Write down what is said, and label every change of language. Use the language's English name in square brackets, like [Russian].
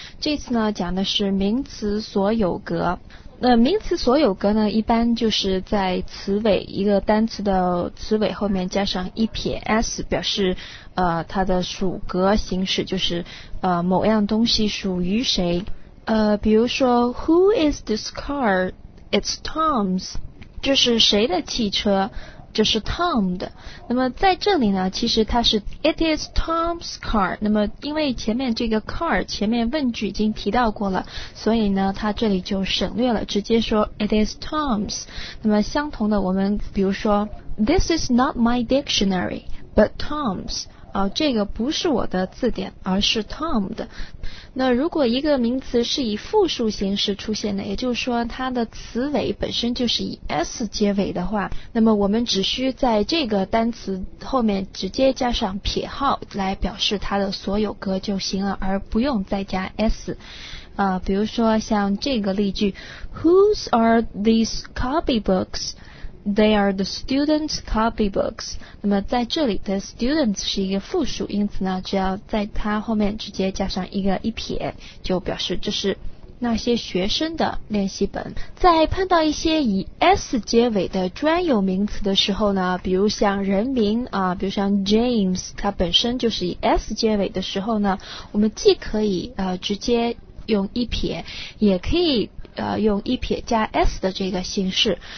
[Chinese] 这次呢讲的是名词所有格。那名词所有格呢，一般就是在词尾，一个单词的词尾后面加上一撇 s， 表示它的属格形式，就是某样东西属于谁。 [English] 比如说 Who is this car? It's Tom's， [Chinese] 就是谁的汽车，就是 Tom 的。那么在这里呢，其实它是 [English] It is Tom's car， [Chinese] 那么因为前面这个 car 前面问句已经提到过了，所以呢它这里就省略了，直接说 [English] It is Tom's。 [Chinese] 那么相同的，我们比如说 [English] This is not my dictionary but Tom's， [Chinese] 这个不是我的字典，而是 Tom 的。那如果一个名词是以复数形式出现的，也就是说它的词尾本身就是以 s 结尾的话，那么我们只需在这个单词后面直接加上撇号来表示它的所有格就行了，而不用再加 s。比如说像这个例句 ， [English] Whose are these copy books？ They are the students' copybooks。 [Chinese] 那么在这里的 students 是一个复数，因此呢只要在它后面直接加上一个一撇，就表示这是那些学生的练习本。在碰到一些以 s 结尾的专有名词的时候呢，比如像人名啊，比如像 James， 它本身就是以 s 结尾的时候呢，我们既可以直接用一撇，也可以用一撇加 s 的这个形式。